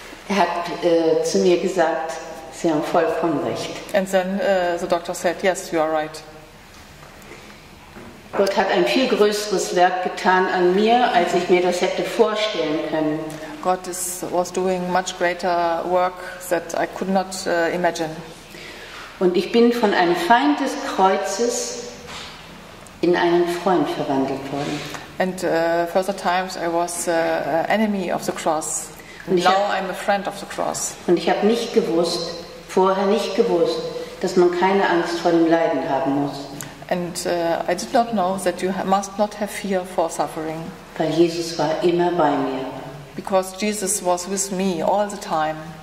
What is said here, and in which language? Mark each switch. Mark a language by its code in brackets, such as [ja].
[de] Er hat zu mir gesagt, Sie haben vollkommen recht. [en] And then the doctor said, yes, you are right. [de] Gott hat ein viel größeres Werk getan an mir, als ich mir das hätte vorstellen können. [en] God was doing much greater work that I could not imagine. [de] Und ich bin von einem Feind des Kreuzes in einen Freund verwandelt worden. [en] And further times I was enemy of the cross. And now I'm a friend of the cross. [de] Und ich habe nicht gewusst, vorher nicht gewusst, dass man keine Angst vor dem Leiden haben muss. [en] And I did not know that you must not have fear for suffering. [de] Weil Jesus war immer bei mir. [en] Because Jesus was with me all the time.